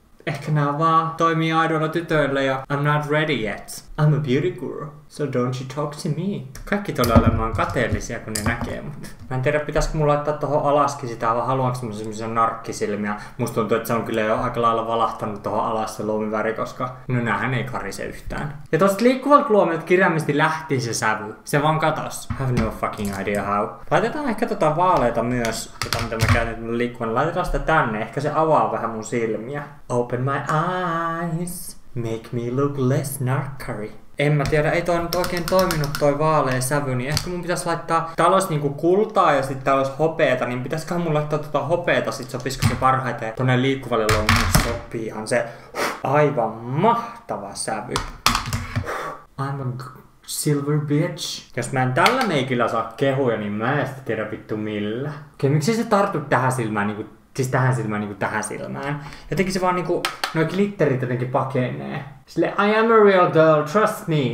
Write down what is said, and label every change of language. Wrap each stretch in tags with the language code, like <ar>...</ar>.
<fi>Ehkä nää vaan toimii aidoilla tytöillä ja I'm not ready yet.</fi> <en>I'm a beauty guru, so don't you talk to me.</en> <fi>Kaikki tulee olemaan kateellisia, kun ne näkee mut. Mä en tiedä, pitäisikö mulla laittaa tohon alaskin sitä, vaan haluanko mä semmosia narkkisilmiä. Musta tuntuu, että se on kyllä jo aika lailla valahtanut tohon alas se luomiväri, koska no näähän ei karise yhtään. Ja tosta liikkuvalt luomilta kirjaimisesti lähti se sävy. Se vaan katos.</fi> <en>I have no fucking idea how.</en> <fi>Laitetaan ehkä tota vaaleita myös, tota mitä mä käytän liikkuvan. Laitetaan sitä tänne, ehkä se avaa vähän mun silmiä. Open my eyes. Make me look less narkkari. En mä tiedä, ei toi nyt oikein toiminut toi vaalea sävy, niin ehkä mun pitäis laittaa... Täällä ois niinku kultaa ja sit täällä ois hopeeta, niin pitäisköhän mun laittaa tota hopeeta, sit sopisiko se parhaiten. Tonne liikkuvalle luomille sopiihan se aivan mahtava sävy. I'm a silver bitch. Jos mä en tällä meikillä saa kehuja, niin mä en sitä tiedä vittu millä. Okei, miksi se tartu tähän silmään niinku... Siis tähän silmään niinku tähän silmään. Jotenkin se vaan niinku, noi glitterit jotenkin pakenee.</fi> <en>Sille I am a real girl, trust me.</en>